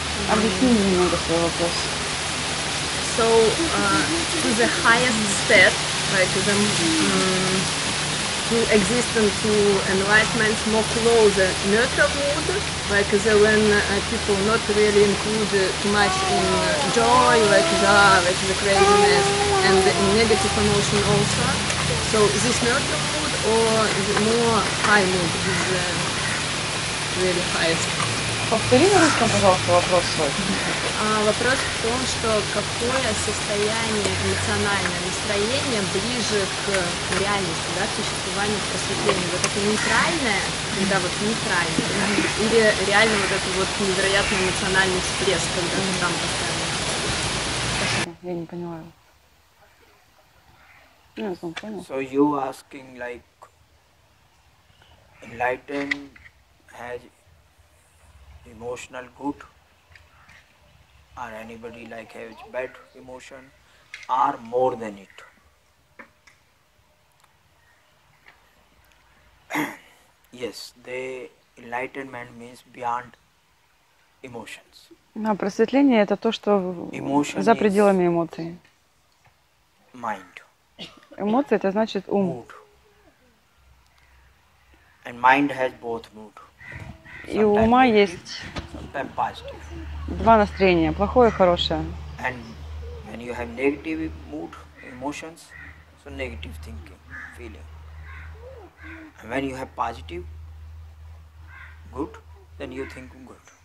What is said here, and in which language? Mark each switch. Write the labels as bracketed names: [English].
[Russian] Объясни немного свой вопрос. [English] So to the highest step, like the to existence, to enlightenment, more closer neutral mood, like the when people not really include too much in joy, like the craziness and the negative emotion also. So this neutral mood or the more high mood is really highest. [Russian] Повтори на русском, пожалуйста, вопрос свой. Вопрос в том, что какое состояние эмоциональное, настроение ближе к реальности, да, к существованию, к просветлению? Вот это нейтральное, когда вот нейтральное, или реально вот это вот невероятный эмоциональный всплеск, когда ты там постоянно? Спасибо, я не поняла. Я сам понял. [English] So you asking like enlightened has emotional good, or anybody like has bad emotion, or more than it. Yes, the enlightenment means beyond emotions. [Russian] А просветление это то, что за пределами эмоций. [English] Mind. [Russian] Эмоции это значит ум. [English] Mood. And mind has both mood. [Russian] И у ума есть два настроения, плохое и хорошее. [English] And when you have negative mood, emotions, so negative thinking, feeling. And when you have positive, good, then you think good.